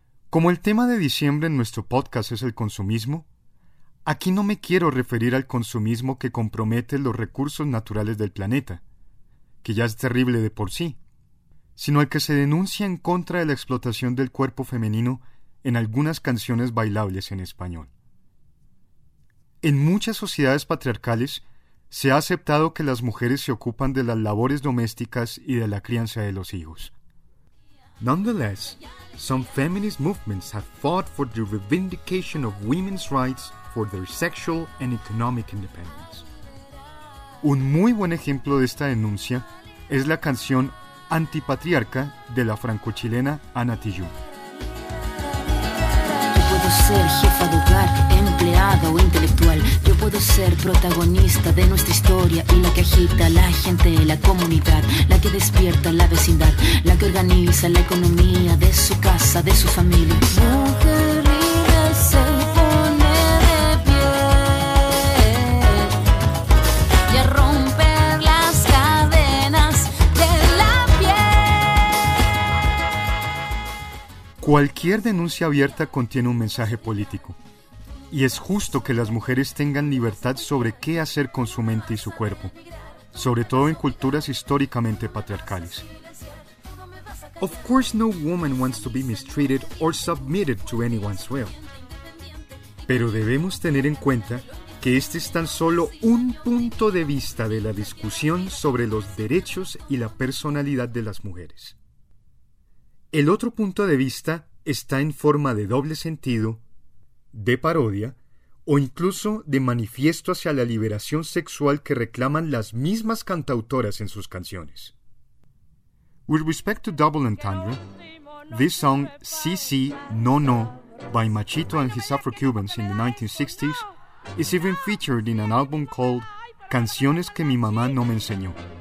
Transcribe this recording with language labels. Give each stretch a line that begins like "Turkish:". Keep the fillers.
Spanish: Como el tema de diciembre en nuestro podcast es el consumismo, aquí no me quiero referir al consumismo que compromete los recursos naturales del planeta, que ya es terrible de por sí, sino el que se denuncia en contra de la explotación del cuerpo femenino en algunas canciones bailables en español. En muchas sociedades patriarcales se ha aceptado que las mujeres se ocupan de las labores domésticas y de la crianza de los hijos.
English: Nonetheless, some feminist movements have fought for the revindication of women's rights for their sexual and economic independence.
Spanish: Un muy buen ejemplo de esta denuncia es la canción Antipatriarca de la francochilena Ana Tijoux. Yo puedo ser jefa de hogar, empleada o intelectual. Yo puedo ser protagonista de nuestra historia y la que agita a la gente, la comunidad, la que despierta la vecindad, la que organiza la economía de su casa, de su familia. Mujer libre se pone de pie y a romper las cadenas de la piel. Cualquier denuncia abierta contiene un mensaje político. Y es justo que las mujeres tengan libertad sobre qué hacer con su mente y su cuerpo, sobre todo en culturas históricamente patriarcales.
English: Of course no woman wants to be mistreated or submitted to anyone's will.
Spanish: Pero debemos tener en cuenta que este es tan solo un punto de vista de la discusión sobre los derechos y la personalidad de las mujeres. El otro punto de vista está en forma de doble sentido, de parodia o incluso de manifiesto hacia la liberación sexual que reclaman las mismas cantautoras en sus canciones.
English: With respect to double entendre, this song CC No No by Machito and his Afro-Cubans in the 1960s is even featured in an album called Canciones que mi mamá no me enseñó.